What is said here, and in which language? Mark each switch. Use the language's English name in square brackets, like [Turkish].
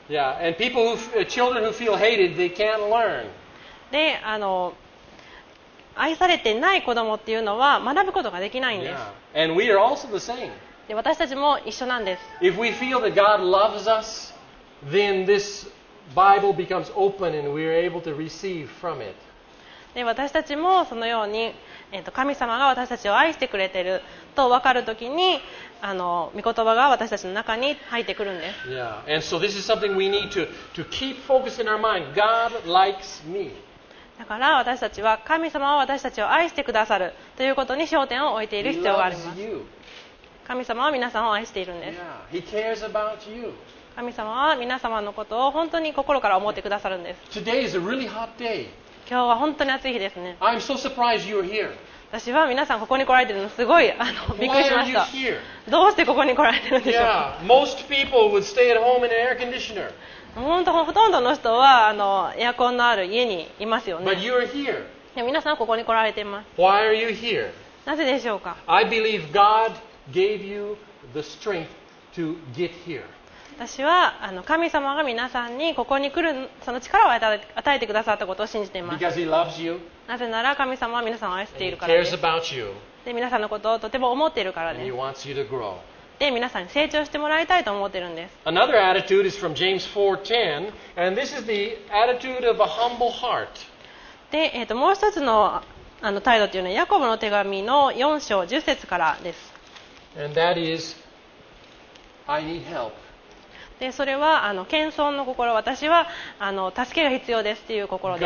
[English] Yeah, and people who children who feel hated, they can't learn. [Japanese] で、愛されてない子供っていうのは学ぶことができないんです。 [English] Yeah. And we are also the same. [Japanese] で、私たちも一緒なんです。 [English] If we feel that God loves us, then this Bible becomes open and we are able to receive from it. [Japanese] で、私たちもそのように、神様が私たちを愛してくれてると分かるときに、御言葉が私たちの中に入ってくるんです。 [English] Yeah. And so this is something we need to keep focused in our mind. God likes me. [Japanese] だから私たちは神様は私たちを愛してくださるということに焦点を置いている必要があります。神様は皆さんを愛しているんです。 [English] Yeah, he cares about you. [Japanese] 神様は皆様のことを本当に心から思ってくださるんです。 [English] Today is a really hot day. [Japanese] 今日は本当に暑い日ですね。 [English] I'm so surprised you're here. [Japanese] 私は皆さんここに来られているのすごいびっくりしました。 [English] Why are you here? [Japanese] どうしてここに来られているんでしょう。 [English] Yeah, most people would stay at home in an air conditioner. [Japanese] ほとんどの人はエアコンのある家にいますよね。 [English] But you are here. [Japanese] で皆さんここに来られています。 [English] Why are you here? [Japanese] なぜでしょうか? [English] I believe God gave you the strength to get here. [Japanese] 私は神様が皆さんにここに来るその力を与えてくださったことを信じています。 [English] Because he loves you. [Japanese] なぜなら神様は皆さんを愛しているからです。 [English] And he cares about you. [Japanese] で皆さんのことをとても思っているからです。 [English] And he wants you to grow. [Japanese] で皆さんに成長してもらいたいと思っているんです。 [English] Another attitude is from James 4:10, and this is the attitude of a humble heart. [Japanese] で、もう一つの態度というのはヤコブの手紙の4章10節からです。 [English] And that is, I need help. [Japanese] で、それは謙遜の心、私は助けが必要ですという心です。